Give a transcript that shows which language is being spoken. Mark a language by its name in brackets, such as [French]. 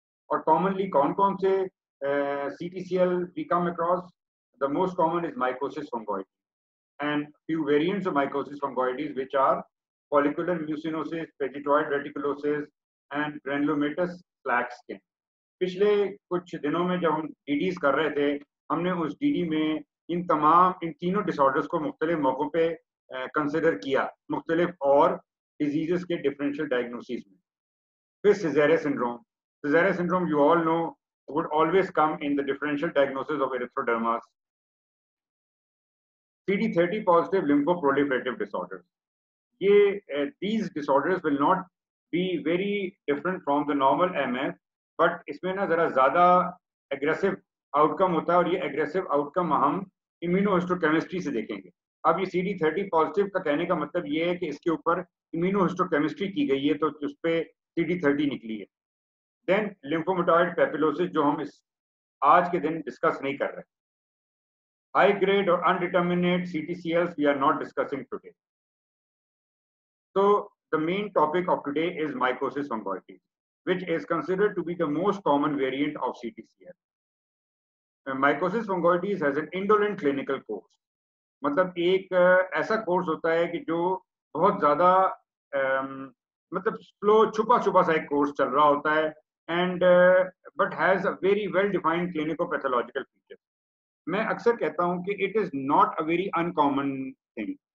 [English] और कॉमनली [Hindi] कौन कौन से [English] C T C L we come across, the most common is mycosis fungoides and few variants of mycosis fungoides, which are follicular mucinosis, pagetoid reticulosis and granulomatous plaque skin. [Hindi] पिछले कुछ दिनों में जब हम DDs कर रहे थे, हमने उस DD में इन तमाम इन तीनों disorders को मुख्तलिफ मौकों पर consider किया, मुख्तलिफ और diseases के differential diagnoses में. [English] फिर Sézary syndrome, Sézary syndrome you all know would always come in the differential diagnosis of erythrodermas. CD30 positive lymphoproliferative disorders. ये these disorders will not be very different from the normal MF, but [Hindi] इसमें ना ज़रा ज़्यादा aggressive outcome होता है, और ये aggressive outcome हम immunohistochemistry से देखेंगे. अब ये CD30 positive का कहने का मतलब ये है कि इसके ऊपर immunohistochemistry की गई है, तो उस पर CD30 निकली है. Then lymphomatoid papillosis, जो हम इस आज के दिन discuss नहीं कर रहे. [English] High grade or undeterminate CTCLs we are not discussing today. So the main topic of today is mycosis fungoides, which is considered to be the most common variant of CTCL. Mycosis fungoides has an indolent clinical course. [Hindi] मतलब एक ऐसा course होता है कि जो बहुत ज़्यादा मतलब slow छुपा छुपा सा एक course चल रहा होता है, [English] and but has a very well defined clinical pathological features. [Hindi] मैं अक्सर कहता हूं कि [English] It is not a very uncommon thing.